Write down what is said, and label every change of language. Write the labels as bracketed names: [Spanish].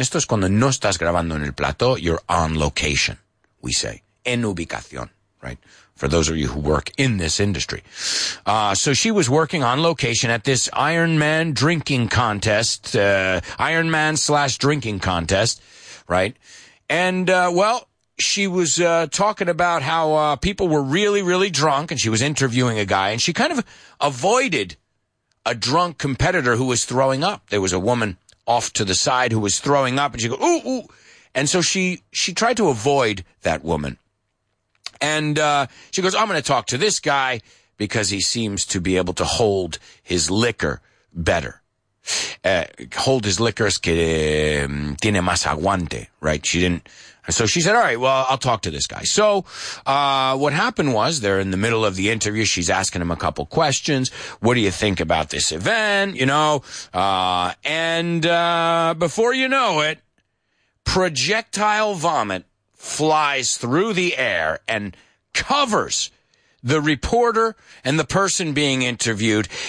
[Spanish] Esto es cuando no estás grabando en el plató. [English] You're on location, we say. [Spanish] En ubicación, [English] right? For those of you who work in this industry. So she was working on location at this Iron Man drinking contest, Iron Man / drinking contest, right? And, she was talking about how people were really, really drunk, and she was interviewing a guy, and she kind of avoided a drunk competitor who was throwing up. There was a woman off to the side who was throwing up, and she go, ooh, ooh. And so she tried to avoid that woman. And she goes, I'm going to talk to this guy because he seems to be able to hold his liquor better. Hold his liquor [Spanish] es que tiene más aguante, right? [English] She didn't. So she said, all right, well, I'll talk to this guy. So what happened was they're in the middle of the interview. She's asking him a couple questions. What do you think about this event? You know, before you know it, projectile vomit flies through the air and covers the reporter and the person being interviewed.